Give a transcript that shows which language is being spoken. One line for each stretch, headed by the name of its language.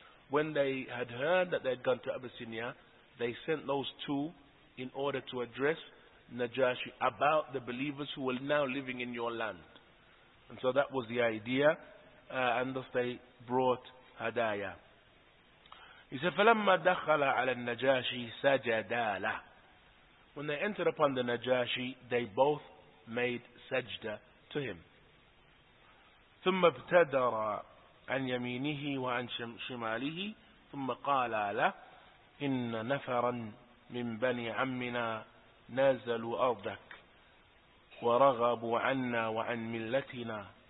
English: When they had heard that they had gone to Abyssinia, they sent those two in order to address Najashi about the believers who were now living in your land. And so that was the idea, and thus they brought hadaya. He said,
Arabic: فَلَمَّا دَخَلَ عَلَى النَّجَاشِ سَجَدَا لَهُ.
English: When they entered upon the Najashi, they both made sajda to him.
Arabic: ثُمَّ ابْتَدَرَ عَنْ يَمِينِهِ وَعَنْ شِمَالِهِ ثُمَّ قَالَ لَهُ إِنَّ نَفَرًا مِنْ بَنِي عَمِّنَا نَزَلُوا أَرْضَكَ وَرَغَبُوا عَنَّا وَعَنْ مِلَّتِنَا.